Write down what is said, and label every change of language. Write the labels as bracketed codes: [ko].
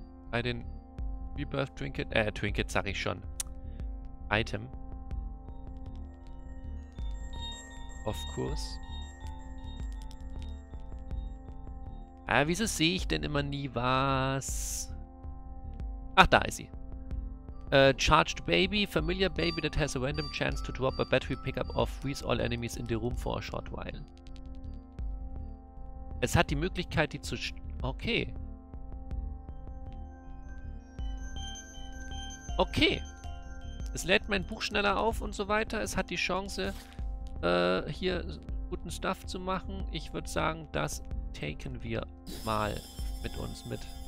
[de] Bei den Rebirth-Trinket... Trinket, sag ich schon. Item. [en] Of course. [de] Wieso sehe ich denn immer nie was? Ach, da ist sie. Charged Baby. [en] Familiar Baby that has a random chance to drop a battery pickup or freeze all enemies in the room for a short while. [de] Es hat die Möglichkeit, die zu... Okay. Okay. Es lädt mein Buch schneller auf und so weiter. Es hat die Chance, hier guten Stuff zu machen. Ich würde sagen, das taken wir mal mit uns mit.